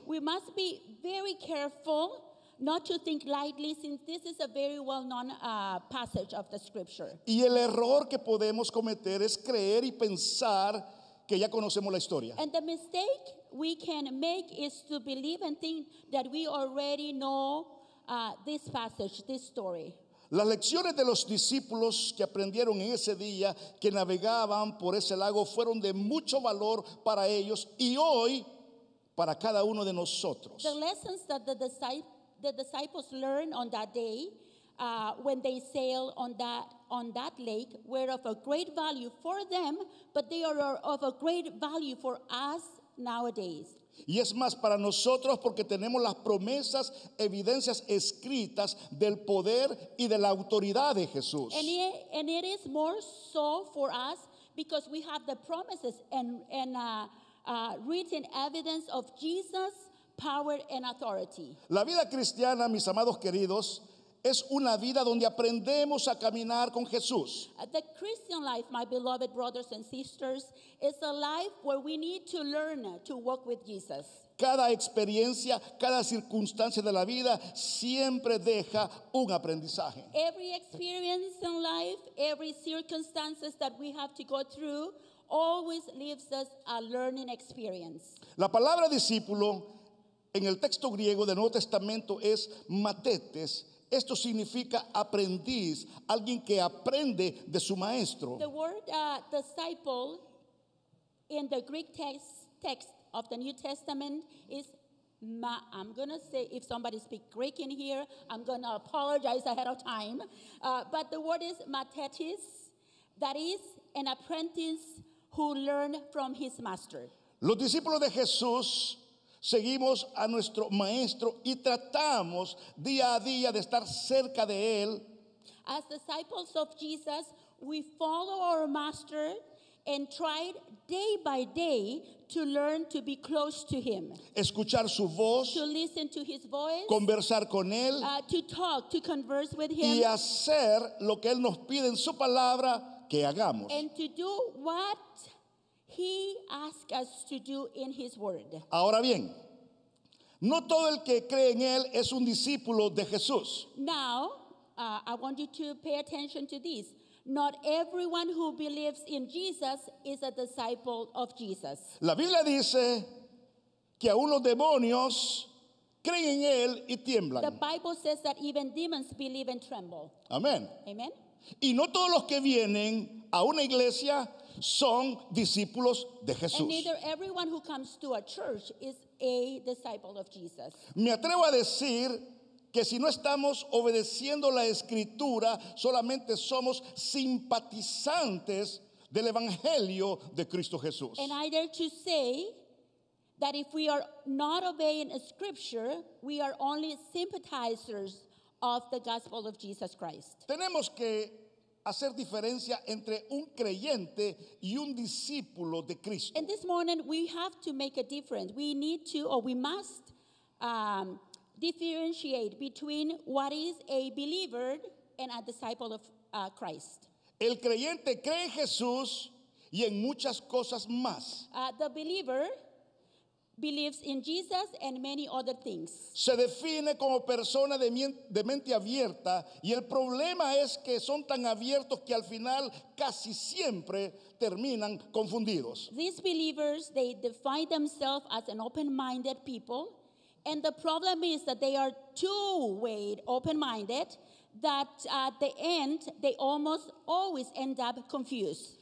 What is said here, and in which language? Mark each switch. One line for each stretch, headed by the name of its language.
English: We must be very careful not to think lightly, since this is a very well-known passage of the scripture.
Spanish: Y el error que podemos cometer es creer y pensar que ya conocemos la historia.
English: And the mistake we can make is to believe and think that we already know this passage, this story.
Spanish: Las lecciones de los discípulos que aprendieron en ese día que navegaban por ese lago fueron de mucho valor para ellos y hoy para cada uno de nosotros.
English: The lessons that the disciples learned on that day when they sailed on that lake were of a great value for them, but they are of a great value for us nowadays.
Spanish: Y es más para nosotros porque tenemos las promesas, evidencias escritas del poder y de la autoridad de Jesús.
English: And it is more so for us because we have the promises and written evidence of Jesus' power and authority.
Spanish: La vida cristiana, mis amados queridos, es una vida donde aprendemos a caminar con Jesús.
English: The Christian life, my beloved brothers and sisters, is a life where we need to learn to walk with Jesus.
Spanish: Cada experiencia, cada circunstancia de la vida siempre deja un aprendizaje.
English: Every experience in life, every circumstances that we have to go through, always leaves us a learning experience.
Spanish: La palabra discípulo en el texto griego del Nuevo Testamento es matetes. Esto significa aprendiz, alguien que aprende de su maestro.
English: The word disciple in the Greek text of the New Testament is I'm going to say, if somebody speaks Greek in here, I'm going to apologize ahead of time. But the word is matetes, that is an apprentice who learned from his master.
Spanish: Los discípulos de Jesús seguimos a nuestro maestro y tratamos día a día de estar cerca de él.
English: As disciples of Jesus, we follow our master and try day by day to learn to be close to him.
Spanish: Escuchar su voz.
English: To listen to his voice.
Spanish: Conversar con él.
English: To talk, to converse with him.
Spanish: Y hacer lo que él nos pide en su palabra que hagamos.
English: And to do what he asks us to do in his word.
Spanish: Ahora bien, no todo el que cree en él es un discípulo de Jesús.
English: Now, I want you to pay attention to this. Not everyone who believes in Jesus is a disciple of Jesus.
Spanish: La Biblia dice que aún los demonios creen en él y tiemblan.
English: The Bible says that even demons believe and tremble.
Spanish: Amén.
English: Amen.
Spanish: Y no todos los que vienen a una iglesia son discípulos de Jesús.
English: And neither everyone who comes to a church is a disciple of Jesus.
Spanish: Me atrevo a decir que si no estamos obedeciendo la escritura, solamente somos simpatizantes del evangelio de Cristo Jesús.
English: And I dare to say that if we are not obeying a scripture, we are only sympathizers of the gospel of Jesus Christ.
Spanish: Tenemos que hacer diferencia entre un creyente y un discípulo de Cristo.
English: And this morning we have to make a difference. We need to, or we must, differentiate between what is a believer and a disciple of Christ.
Spanish: El creyente cree en Jesús y en muchas cosas más.
English: The believer believes in Jesus and many other things.
Spanish: Se define como persona de mente abierta y el problema es que son tan abiertos que al final casi siempre terminan confundidos.
English: These believers, they define themselves as an open-minded people, and the problem is that they are two-way open-minded that at the end they almost always end up confused.